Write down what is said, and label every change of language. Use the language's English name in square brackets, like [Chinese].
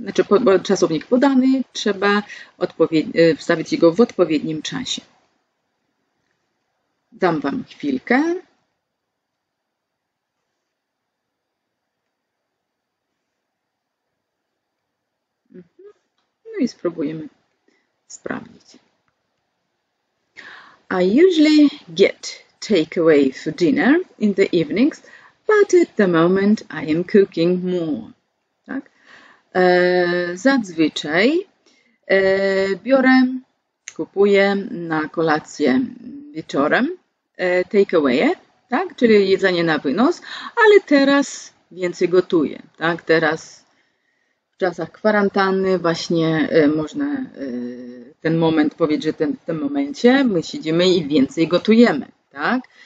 [Polish] Znaczy, bo czasownik podany, trzeba wstawić go w odpowiednim czasie. Dam Wam chwilkę. No i spróbujemy sprawdzić. [English] I usually get takeaway for dinner in the evenings, But at the moment I am cooking more. [Polish] Tak? Zazwyczaj biorę, kupuję na kolację wieczorem takeaway, tak? Czyli jedzenie na wynos, ale teraz więcej gotuję. Tak? Teraz w czasach kwarantanny właśnie można ten moment powiedzieć, że w tym momencie my siedzimy i więcej gotujemy. Tak?